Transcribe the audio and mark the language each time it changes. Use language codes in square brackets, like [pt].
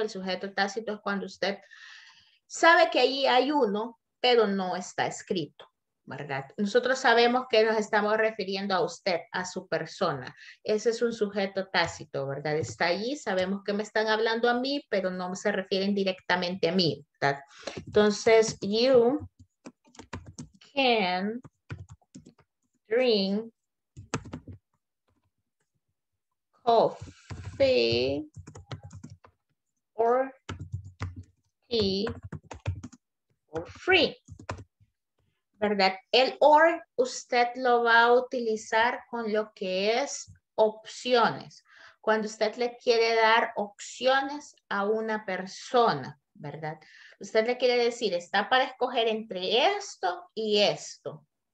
[es] El sujeto tácito es cuando usted sabe que ahí hay uno, pero no está escrito, ¿verdad? Nosotros sabemos que nos estamos refiriendo a usted, a su persona. Ese es un sujeto tácito, ¿verdad? Está allí, sabemos que me están hablando a mí, pero no se refieren directamente a mí, ¿verdad? [en] Entonces, you can drink coffee or tea for free. [es] ¿Verdad? El [en] or [es] usted lo va a utilizar con lo que es opciones. Cuando usted le quiere dar opciones a una persona, ¿verdad? Usted le quiere decir, está para escoger entre esto y esto.